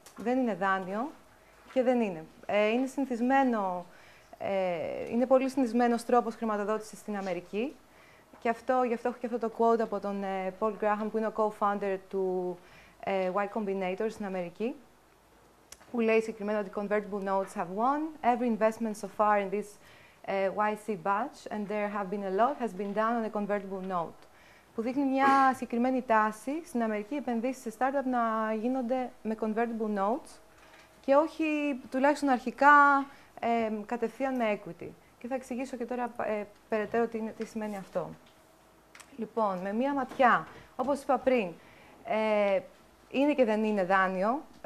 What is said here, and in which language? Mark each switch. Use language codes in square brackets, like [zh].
[el] Δεν είναι δάνειο και δεν είναι. Είναι συνηθισμένο, είναι πολύ συνηθισμένος τρόπος χρηματοδότησης στην Αμερική. Και αυτό, γι' αυτό έχω και αυτό το quote από τον Paul Graham, που είναι ο co-founder του Y Combinator στην Αμερική, που λέει συγκεκριμένα ότι [en] convertible notes have won. Every investment so far in this YC batch, and there have been a lot, has been done on a convertible note. [el] Που δείχνει μια συγκεκριμένη τάση στην Αμερική, επενδύσεις σε startup να γίνονται με convertible notes και όχι τουλάχιστον αρχικά κατευθείαν με equity. Και θα εξηγήσω και τώρα περαιτέρω τι σημαίνει αυτό. Λοιπόν, με μία ματιά, όπως είπα πριν, είναι και δεν είναι δάνειο.